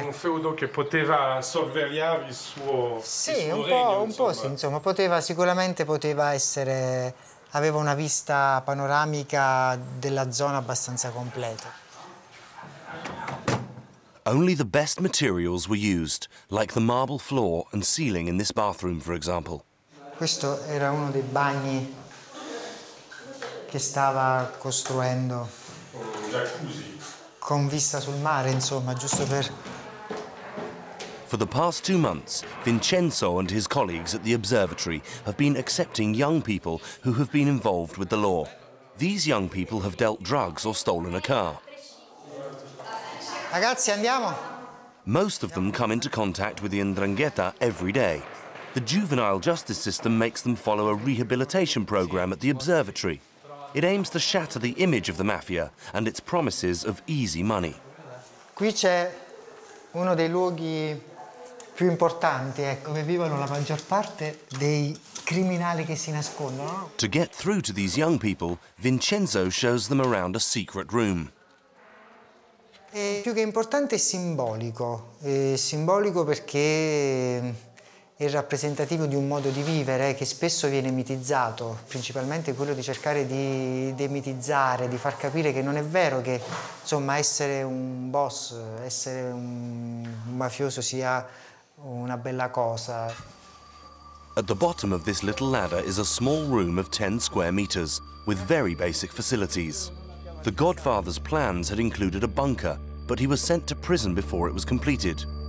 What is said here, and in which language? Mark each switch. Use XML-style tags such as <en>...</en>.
<it>Po' un feudo che poteva sorvegliare il suo. Sì, il suo un regno, po', insomma. Un po' sì, insomma, poteva essere. Aveva una vista panoramica della zona abbastanza completa.</it> <en>Only the best materials were used, like the marble floor and ceiling in this bathroom, for example.</en> <it>Questo era uno dei bagni che stava costruendo. Con vista sul mare, insomma, giusto per.</it> <en>For the past 2 months, Vincenzo and his colleagues at the observatory have been accepting young people who have been involved with the law. These young people have dealt drugs or stolen a car.</en> <it>Ragazzi, andiamo.</it> <en>Most of them come into contact with the Ndrangheta every day. The juvenile justice system makes them follow a rehabilitation program at the observatory. It aims to shatter the image of the mafia and its promises of easy money.</en> <it>Qui c'è uno dei luoghi più importanti, ecco, dove vivono la maggior parte dei criminali che si nascondono.</it> <en>To get through to these young people, Vincenzo shows them around a secret room.</en> <it>È più che importante è simbolico. È simbolico perché è rappresentativo di un modo di vivere che spesso viene mitizzato, principalmente quello di cercare di demitizzare, di far capire che non è vero che, insomma, essere un boss, essere un mafioso sia una bella cosa.</it> <en>At the bottom of this little ladder is a small room of 10 square meters with very basic facilities. The Godfather's plans had included a bunker, but he was sent to prison before it was completed.</en>